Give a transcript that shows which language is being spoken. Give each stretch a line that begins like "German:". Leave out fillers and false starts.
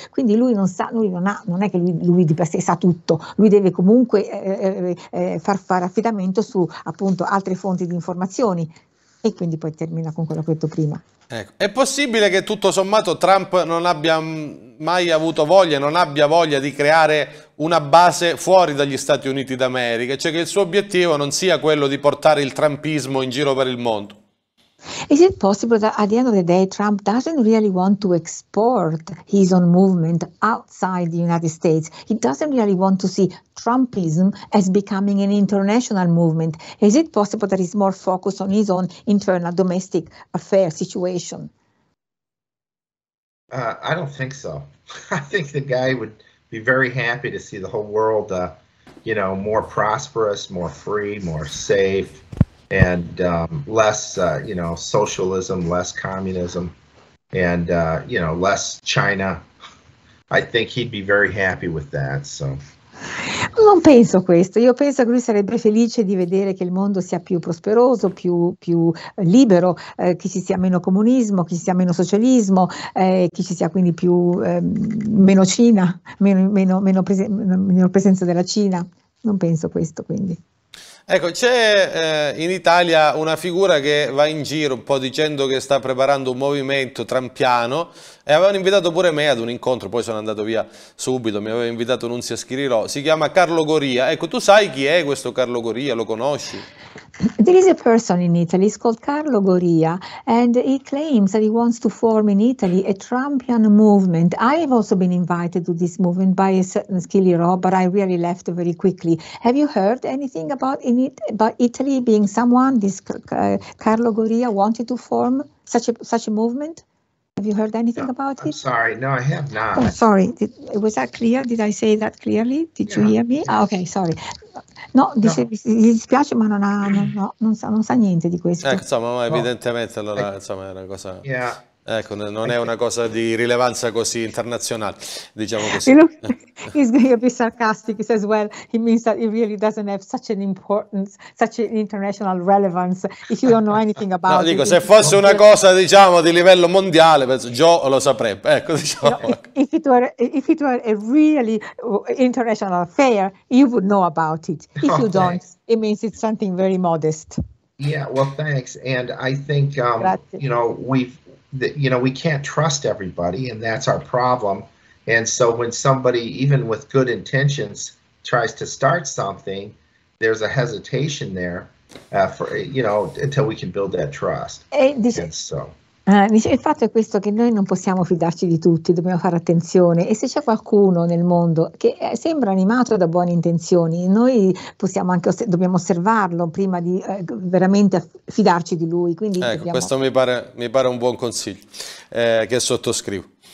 Italian: Quindi lui non sa, lui non Non è che lui di per sé sa tutto, lui deve comunque far affidamento su appunto altre fonti di informazioni, e quindi poi termina con quello che ho detto prima. Ecco. È possibile che tutto sommato Trump non abbia mai avuto voglia, non abbia voglia di creare una base fuori dagli Stati Uniti d'America, cioè che il suo obiettivo non sia quello di portare il trumpismo in giro per il mondo?
English: Is it possible that at the end of the day, Trump doesn't really want to export his own movement outside the United States? He doesn't really want to see Trumpism as becoming an international movement. Is it possible that he's more focused on his own internal domestic affair situation? I don't think so. I think the guy would be very happy to see the whole world, more prosperous, more free, more safe, and less, socialism, less communism, and less China. I think he'd be very happy with that, so.
Italian: Non penso questo, io penso che lui sarebbe felice di vedere che il mondo sia più prosperoso, più libero, che ci sia meno comunismo, che ci sia meno socialismo, che ci sia quindi meno Cina, meno presenza della Cina. Non penso questo, quindi. Ecco, c'è in Italia una figura che va in giro un po' dicendo che sta preparando un movimento trampiano e avevano invitato pure me ad un incontro, poi sono andato via subito, mi aveva invitato Nunzia Schirilò, si chiama Carlo Goria. Ecco, tu sai chi è questo Carlo Goria? Lo conosci?
English: There is a person in Italy, it's called Carlo Goria, and he claims that he wants to form in Italy a Trumpian movement. I have also been invited to this movement by a certain Skilly Rob, but I really left very quickly. Have you heard anything about in it, about Italy being someone this Carlo Goria wanted to form such a movement? Have you heard anything about it? I'm sorry, no, I have not. Oh, sorry. Was that clear? Did I say that clearly? Did you hear me? Ah, okay, sorry.
Italian: No, dice, gli dispiace, ma non ha, non sa niente di questo. Insomma, evidentemente allora, insomma, è una cosa. Ecco, non è una cosa di rilevanza così internazionale, diciamo così.
English: He's going to be sarcastic. He says, well, he means that it really doesn't have such an importance, such an international relevance, if you don't know anything about it.
Italian: No, dico, se fosse una cosa, diciamo, di livello mondiale, penso, Joe lo saprebbe, ecco, diciamo.
English: No, if it were a really international affair, you would know about it. If you don't, it means it's something very modest. Yeah, well, thanks. And I think, you know, we can't trust everybody, and that's our problem. And so when somebody, even with good intentions, tries to start something, there's a hesitation there until we can build that trust.
Italian: Dice, il fatto è questo, che noi non possiamo fidarci di tutti, dobbiamo fare attenzione, e se c'è qualcuno nel mondo che sembra animato da buone intenzioni, noi possiamo anche dobbiamo osservarlo prima di veramente fidarci di lui. Quindi ecco, dobbiamo... questo mi pare un buon consiglio che sottoscrivo.